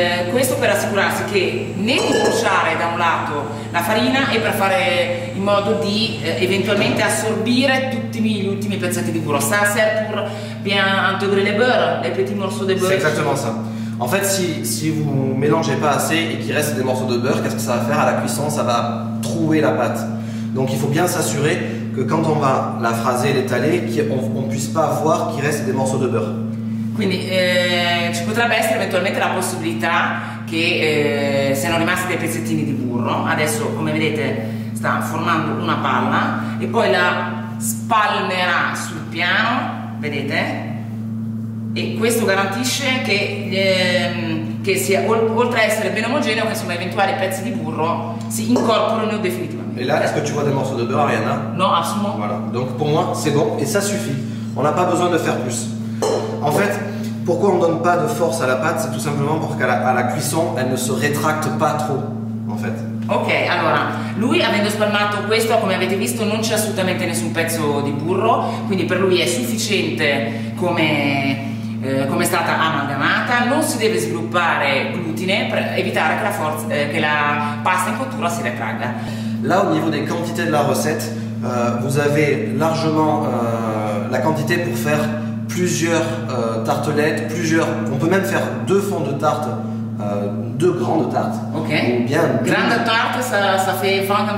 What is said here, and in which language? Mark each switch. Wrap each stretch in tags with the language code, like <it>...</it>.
<it>Questo per assicurarsi che né bruciare da un lato la farina e per fare in modo di eventualmente assorbire tutti gli ultimi pezzetti di burro.</it> <fr>Ça sert pour bien intégrer le beurre, les petits morceaux de beurre. C'est exactement ça. En fait, si vous mélangez pas assez et qu'il reste des morceaux de beurre, qu'est-ce que ça va faire à la cuisson? Ça va trouer la pâte. Donc il faut bien s'assurer que quand on va la fraser et l'étaler, qu'on puisse pas voir qu'il reste des morceaux de beurre.</fr> <it>Quindi ci potrebbe essere eventualmente la possibilità che siano rimasti dei pezzettini di burro. Adesso, come vedete, sta formando una palla e poi la spalmerà sul piano, vedete? E questo garantisce che sia, oltre a essere ben omogeneo, che insomma eventuali pezzi di burro si incorporino definitivamente.</it> <fr>E là, est-ce que tu vois des morceaux de beurre, Arianna?</fr> <it>No, assolutamente.</it> <fr>Voilà, donc pour moi, c'est bon et ça suffit. On n'a pas besoin de faire plus. En fait, pourquoi on ne donne pas de force à la pâte? C'est tout simplement pour qu'à la cuisson, elle ne se rétracte pas trop, en fait.</fr> <it>Ok, allora, lui, avendo spalmato questo, come avete visto, non c'è assolutamente nessun pezzo di burro, quindi per lui è sufficiente come è stata amalgamata, non si deve sviluppare glutine per evitare che la pasta in cottura si retragga.</it> <fr>Là, au niveau des quantités de la recette, vous avez largement la quantité pour faire plusieurs tartelettes, on peut même faire deux fonds de tarte deux grandes tartes. Ok. Ou bien deux. Grande tarte, ça fait 20 voilà,</fr>